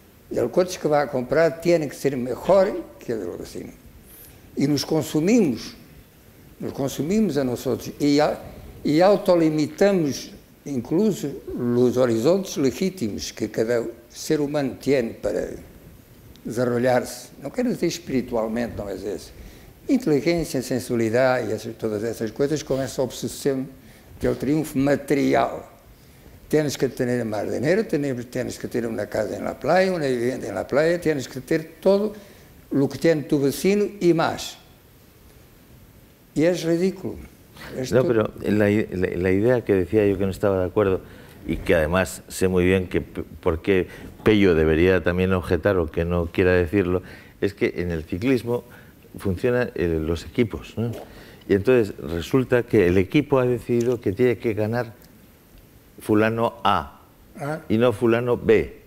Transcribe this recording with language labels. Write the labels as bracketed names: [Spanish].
[Spanish] Y el coche que va a comprar tiene que ser mejor que el del vecino. Y nos consumimos a nosotros y autolimitamos incluso los horizontes legítimos que cada ser humano tiene para desarrollar-se. [Portuguese] Não quero dizer espiritualmente, não é esse. Inteligência, sensibilidade e todas essas coisas com essa obsessão do triunfo material. Tens que ter mais dinheiro, tens que ter uma casa na praia, uma vivenda na praia, tens que ter todo o que tem [Spanish] tu vecino [Portuguese] e mais. [Spanish] Y es ridículo. No, pero la idea que decía yo que no estaba de acuerdo y que además sé muy bien que por qué Pello debería también objetar o que no quiera decirlo, es que en el ciclismo funcionan los equipos, ¿no? Y entonces resulta que el equipo ha decidido que tiene que ganar fulano A y no fulano B.